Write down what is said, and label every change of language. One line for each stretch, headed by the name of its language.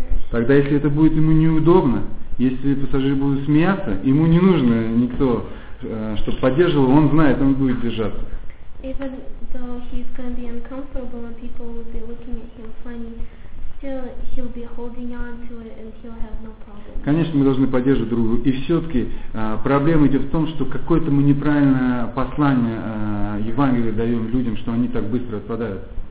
Russian: Тогда, если это будет ему неудобно, если пассажир будет смеяться, ему не нужно никто, чтобы поддерживал, он знает, он будет держаться.
English: Even though he's gonna be uncomfortable and people will be looking at him funny, still he'll be holding on to it and he'll have no problem.
Russian: Конечно, мы должны поддерживать друг друга. И все-таки проблема идет в том, что какое-то мы неправильное послание Евангелия даем людям, что они так быстро отпадают.